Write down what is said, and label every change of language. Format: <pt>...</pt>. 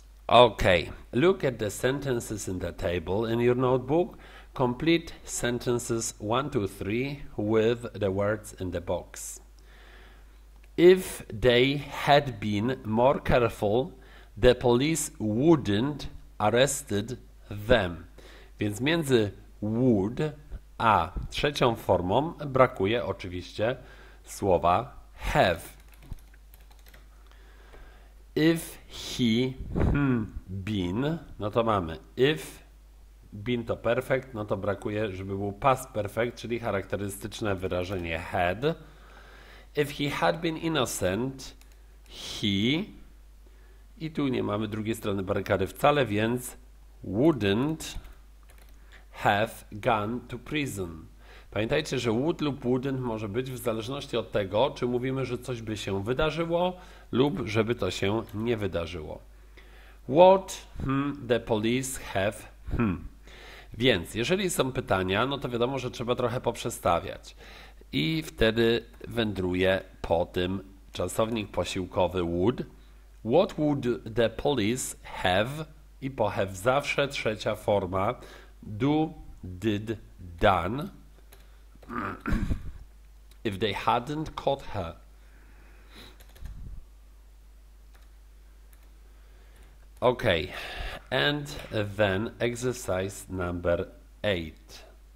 <en>Okay, look at the sentences in the table in your notebook. Complete sentences 1, 2, 3 with the words in the box. If they had been more careful, the police wouldn't arrested them.</en> <pl>Więc między would a trzecią formą brakuje oczywiście słowa have.</pl> <en>If he been,</en> <pl>no to mamy.</pl> <en>If been to perfect,</en> <pl>no to brakuje, żeby był past perfect, czyli charakterystyczne wyrażenie had.</pl> <en>If he had been innocent, he,</en> <pl>i tu nie mamy drugiej strony barykady wcale, więc</pl> <en>wouldn't have gone to prison.</en> <pl>Pamiętajcie, że would lub wouldn't może być w zależności od tego, czy mówimy, że coś by się wydarzyło, lub żeby to się nie wydarzyło.</pl> <en>What the police have.</en> <pl>Więc, jeżeli są pytania, no to wiadomo, że trzeba trochę poprzestawiać. I wtedy wędruje po tym czasownik posiłkowy would.</pl> <en>What would the police have.</en> <pl>I po have zawsze trzecia forma.</pl> <en>Do, did, done. If they hadn't caught her. Ok, and then exercise number 8.</en>